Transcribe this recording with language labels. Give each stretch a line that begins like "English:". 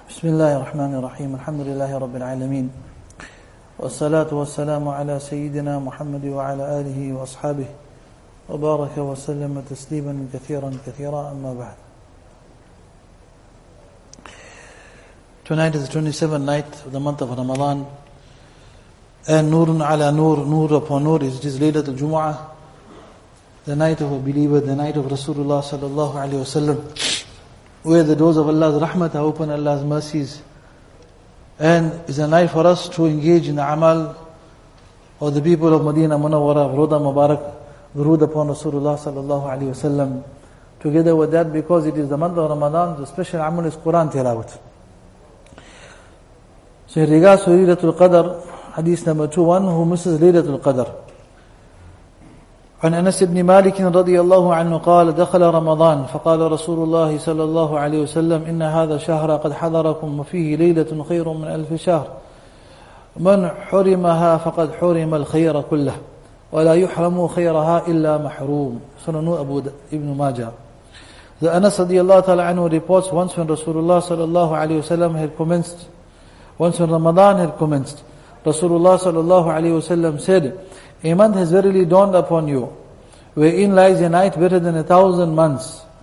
Arabic: بسم الله الرحمن الرحيم الحمد لله رب العالمين والصلاة والسلام على سيدنا محمد وعلى آله وأصحابه وبارك وسلم تسليما كثيرا كثيرا أما بعد.
English: Tonight is the 27th night of the month of Ramadan. And Nurun ala Nur, Nur upon Nur, it is Laylatul Jumu'ah, the night of a believer, the night of Rasulullah sallallahu alayhi wasallam, where the doors of Allah's rahmat are open, Allah's mercies. And is a night for us to engage in the amal of the people of Medina Munawwara, Ruda Mubarak, Ruda upon Rasulullah sallallahu alayhi wasallam. Together with that, because it is the month of Ramadan, the special amal is Quran tilawat. So in regards to Laylatul Qadr, hadith number 21, who misses Laylatul Qadr.
Arabic: عن أنس بن مالك رضي الله عنه قال دخل رمضان فقال رسول الله صلى الله عليه وسلم إن هذا شهر قد حضركم وفيه ليلة خير من ألف شهر من حرمها فقد حرم الخير كله ولا يحرم خيرها إلا محروم. سنن أبو ابن ماجة.
English: The Anas
Arabic: رضي الله تعالى عنه
English: reports once when
Arabic: رسول الله صلى الله عليه وسلم
English: had commenced, once when Ramadan had commenced, رسول الله صلى الله عليه وسلم said, a month has verily dawned upon you, wherein lies a night better than 1,000 months.